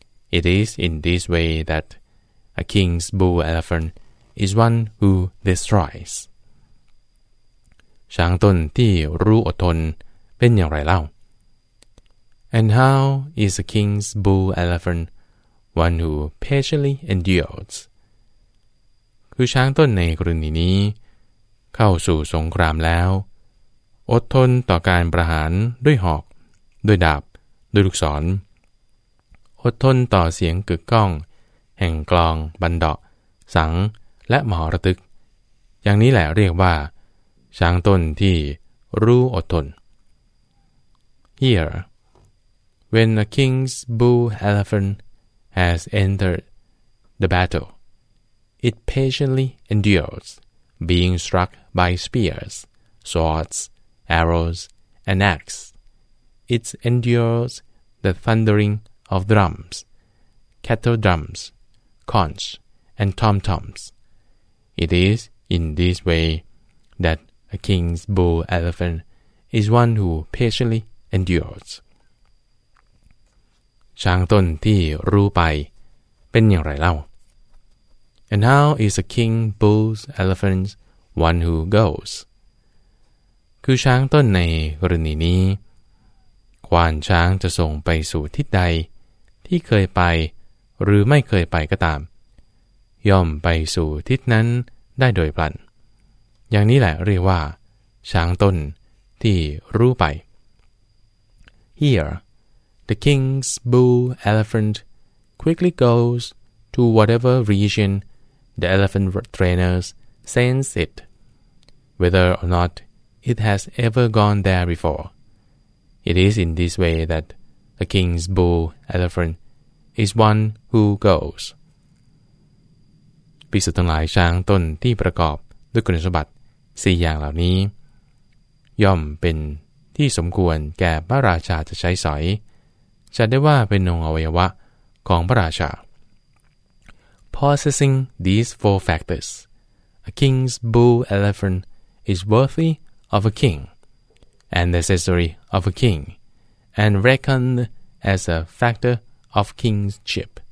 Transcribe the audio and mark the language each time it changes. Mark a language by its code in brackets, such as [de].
[en] It is in this way that a king's bull elephant is one who destroys. [th] ช้างต้นที่รู้อดทนเป็นอย่างไรเล่า [en] And how is a king's bull elephant one who patiently endures? [th] คือช้างต้นในกรณีนี้เข้าสู่สงครามแล้วอดทนต่อการประหารด้วยหอกด้วยดาบด้วยลูกศร อดทนต่อเสียงกึกก้องแห่งกลองบันเดาะสังและมหรทึกอย่างนี้แหละเรียกว่าช้างต้นที่รู้อดทน [en] Here, when a king's bull elephant has entered the battle, it patiently endures, being struck by spears, swords, arrows, and axes. It endures the thundering of drums, kettle drums, conch, and tom-toms. It is in this way that a king's bull elephant is one who patiently endures. [th] ช้างต้นที่รู้ไปเป็นอย่างไรเล่า [en] And how is a king bull's elephant one who goes? [th] คือช้างต้นในกรณีนี้ควานช้างจะส่งไปสู่ทิศใดที่เคยไปหรือไม่เคยไปก็ตาม ย่อมไปสู่ทิศนั้นได้โดยพลันอย่างนี้แหละเรียกว่าช้างต้นที่รู้ไป [en] Here, the king's bull elephant quickly goes to whatever region the elephant trainer sends it, whether or not it has ever gone there before. It is in this way that a king's bull elephant is one who goes. [th] ภิกษุทั้งหลายช้างต้นที่ประกอบด้วยคุณสมบัติ4อย่างเหล่านี้ย่อมเป็นที่สมควรแก่พระราชาจะใช้สอยจะได้ว่าเป็นองค์อวัยวะของพระราชา [en] Possessing these four factors, a king's bull elephant is worthy of a king, and necessary of a king, and reckoned as a factor of kingship.